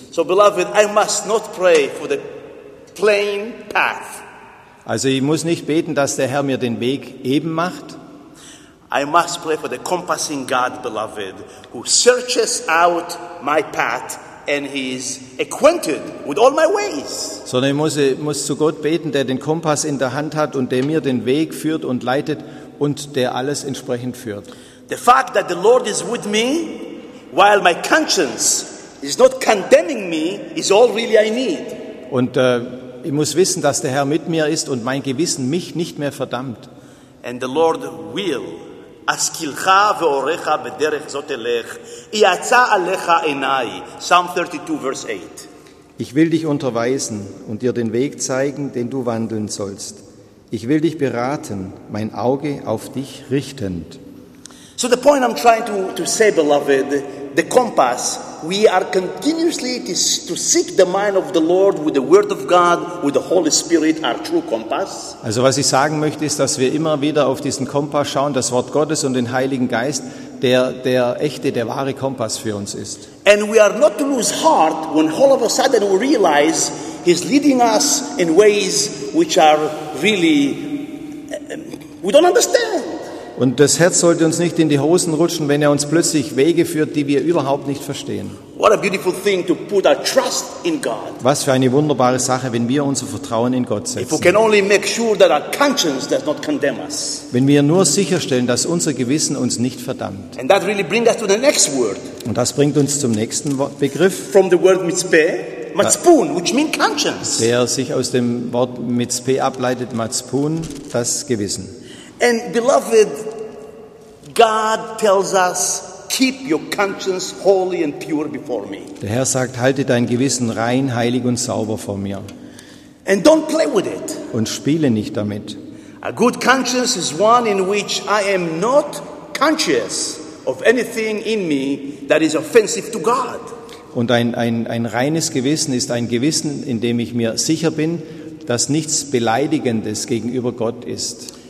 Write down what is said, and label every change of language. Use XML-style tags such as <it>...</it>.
<en>So beloved, I must not pray for the plain path.</en> <de>Also ich muss nicht beten, dass der Herr mir den Weg eben macht.</de> <en>I must pray for the compassing God, beloved, who searches out my path and he is acquainted with all my ways.</en> <de>Sondern ich muss zu Gott beten, der den Kompass in der Hand hat und der mir den Weg führt und leitet und der alles entsprechend führt.</de> <en>The fact that the Lord is with me while my conscience is not condemning me is all really I need.</en> <de>Und ich muss wissen, dass der Herr mit mir ist und mein Gewissen mich nicht mehr verdammt.</de> <en>And the Lord will</en> <he>Askilcha ve'orecha bederech zot elech, yatza alecha enai.</he> <en>Psalm 32, verse 8.</en> <de>Ich will dich unterweisen und dir den Weg zeigen, den du wandeln sollst. Ich will dich beraten, mein Auge auf dich richtend.</de> <en>So the point I'm trying to say, beloved, the compass, we are continuously to seek the mind of the Lord with the Word of God, with the Holy Spirit, our true compass.</en> <de>Also was ich sagen möchte, ist, dass wir immer wieder auf diesen Kompass schauen, das Wort Gottes und den Heiligen Geist, der echte, der wahre Kompass für uns ist.</de> <en>And we are not to lose heart when all of a sudden we realize he's leading us in ways which are really, we don't understand.</en> <de>Und das Herz sollte uns nicht in die Hosen rutschen, wenn er uns plötzlich Wege führt, die wir überhaupt nicht verstehen.</de> <en>What a beautiful thing to put our trust in God.</en> <de>Was für eine wunderbare Sache, wenn wir unser Vertrauen in Gott setzen.</de> <en>If we can only make sure that our conscience does not condemn us.</en> <de>Wenn wir nur sicherstellen, dass unser Gewissen uns nicht verdammt.</de> <en>And that really brings us to the next word.</en> <de>Und das bringt uns zum nächsten Begriff.</de> <en>From the word Matzpun, which means conscience.</en> <de>Der sich aus dem Wort Mitzpeh ableitet, Matzpun, das Gewissen.</de> <en>And beloved, God tells us, keep your conscience holy and pure before me.</en> <de>Der Herr sagt, halte dein Gewissen rein, heilig und sauber vor mir.</de> <en>And don't play with it.</en> <de>Und spiele nicht damit.</de> <en>A good conscience is one in which I am not conscious of anything in me that is offensive to God.</en> <de>Und ein reines Gewissen ist ein Gewissen, in dem ich mir sicher bin, dass nichts Beleidigendes gegenüber Gott ist.</de>